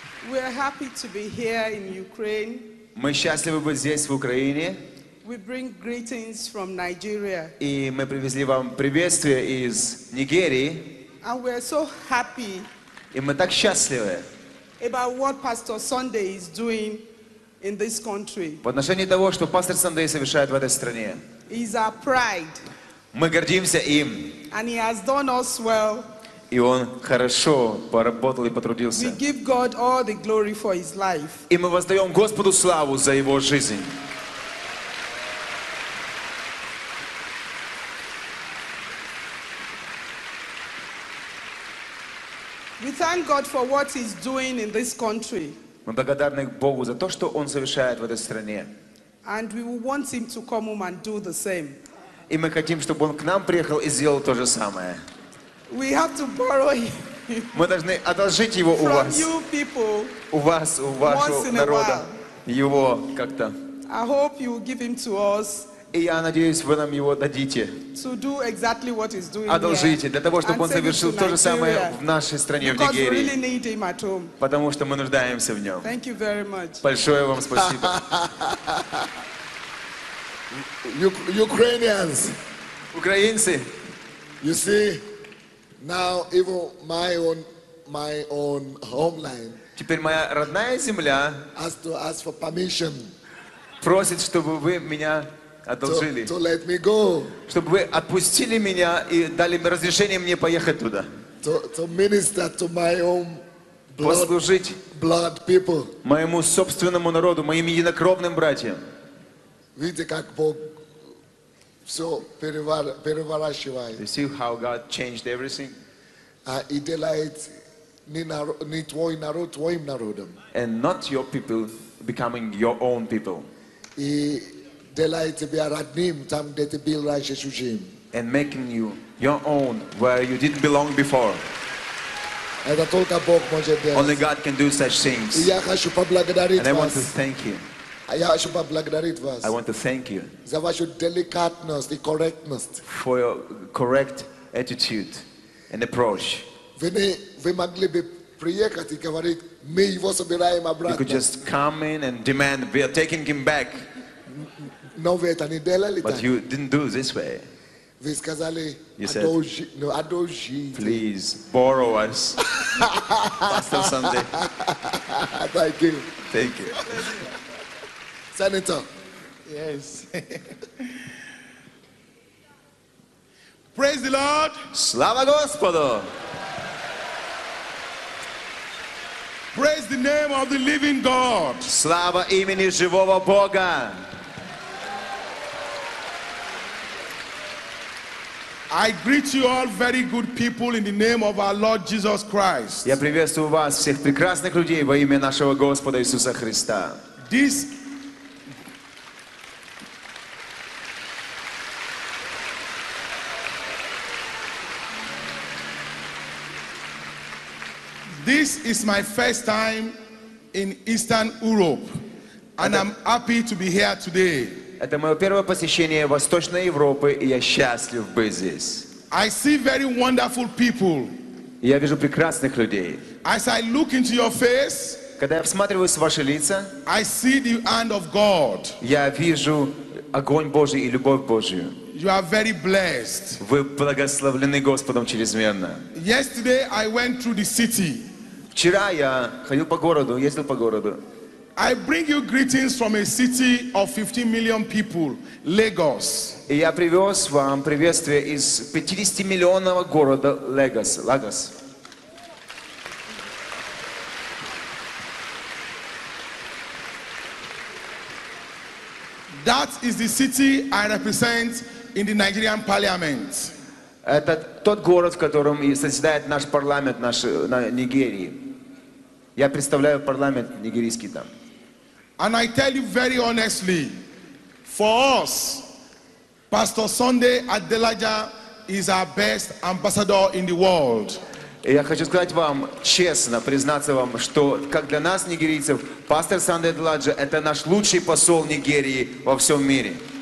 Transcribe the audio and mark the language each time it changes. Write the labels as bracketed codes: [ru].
[en] We are happy to be here in Ukraine. [ru] Мы счастливы быть здесь, в Украине. [en] We bring greetings from Nigeria. [ru] И мы привезли вам приветствие из Нигерии. [en] And we are so happy. [ru] И мы так счастливы. [en] About what Pastor Sunday is doing in this country. [ru] В отношении того, что пастор Сандей совершает в этой стране. [en] He's our pride. [ru] Мы гордимся им. [en] And he has done us well. [ru] И он хорошо поработал и потрудился. [en] We give God all the glory for his life. [ru] И мы воздаем Господу славу за его жизнь. [en] We thank God for what he's doing in this country. [ru] Мы благодарны Богу за то, что он совершает в этой стране. [en] And we will want him to come home and do the same. [ru] И мы хотим, чтобы он к нам приехал и сделал то же самое. [en] We have to borrow him. [ru] Мы должны одолжить его у вас. [en] From you people. [ru] У вас, у вашего народа. Его как-то. [en] I hope you will give him to us. [ru] И я надеюсь, вы нам его дадите. [en] To do exactly what he's doing. [ru] Одолжите, для того, чтобы он совершил то же самое в нашей стране, в Нигерии. [en] Because we really need him at home. [ru] Потому что мы нуждаемся в нем. [en] Thank you very much. [ru] Большое вам спасибо. [en] Ukrainians. [ru] Украинцы. [en] You see, now even my own homeland. [ru] Теперь моя родная земля. [en] Has to ask for permission. [ru] Просит, чтобы вы меня одолжили. [en] To let me go. [ru] Чтобы вы отпустили меня и дали разрешение мне поехать туда. [en] To minister to my own blood. [ru] Послужить [en] blood people. [ru] Моему собственному народу, моим единокровным братьям. Видите, как Бог все переворачивает. [en] You see how God changed everything? [ru] И делает не твой народ твоим народом. [en] And not your people becoming your own people. [ru] И делает тебя родным там, где ты был раньше чужим. [en] And making you your own where you didn't belong before. [ru] Это только Бог может делать. [en] Only God can do such things. [ru] И я хочу поблагодарить вас. [en] And I want to thank you. [ru] Я хочу поблагодарить вас. [en] I want to thank you. [ru] За вашу деликатность и корректность. [en] For your correct attitude and approach. [ru] Вы могли бы приехать и говорить, мы его собираем обратно. [en] You could just come in and demand, we are taking him back. [ru] Но вы это не делали. [en] But you didn't do this way. [ru] Вы сказали, одолжи. [en] Please borrow us. Pastor Sunday. Thank you. Thank you. Senator. Yes. Praise the Lord. [ru] Слава Господу. [en] Praise the name of the living God. [ru] Слава имени живого Бога. [en] I greet you all very good people in the name of our Lord Jesus Christ. [ru] Я приветствую вас всех прекрасных людей во имя нашего Господа Иисуса Христа. [en] This is my first time in Eastern Europe, and I'm happy to be here today. [ru] Это мое первое посещение Восточной Европы, и я счастлив быть здесь. [en] I see very wonderful people. [ru] Я вижу прекрасных людей. [en] As I look into your face, [ru] когда я всматриваюсь в ваши лица, [en] I see the hand of God. [ru] Я вижу огонь Божий и любовь Божию. [en] You are very blessed. [ru] Вы благословлены Господом чрезмерно. [en] Yesterday I went through the city. [ru] Вчера я ходил по городу, ездил по городу. [en] I bring you greetings from a city of 15 million people, Lagos. [ru] И я привез вам приветствие из 50-миллионного города Лагос. Лагос. [en] That is the city I represent in the Nigerian parliament. [ru] Это тот город, в котором и созидает наш парламент, наш, на Нигерии. Я представляю парламент нигерийский там. [en] And I tell you very honestly, for us, Pastor Sunday Adelaja is our best ambassador in the world. [ru] Я хочу сказать вам честно, признаться вам, что как для нас, нигерийцев, пастор Сандей Адаладжа – это наш лучший посол Нигерии во всем мире.